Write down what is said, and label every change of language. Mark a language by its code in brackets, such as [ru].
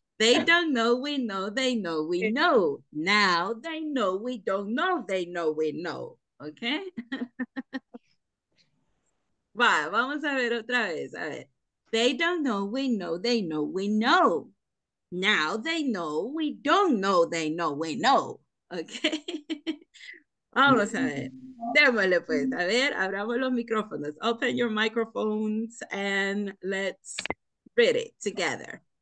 [en] They don't know, we know, they know, we know. Now they know, we don't know, they know, we know. Okay? [es] Va, vamos a ver otra vez, a ver. [en] They don't know, we know, they know, we know. Now they know, we don't know, they know, we know. Okay? [es] Vamos a ver. Démosle pues, a ver, abramos los micrófonos. [en] Open your microphones and let's read it together.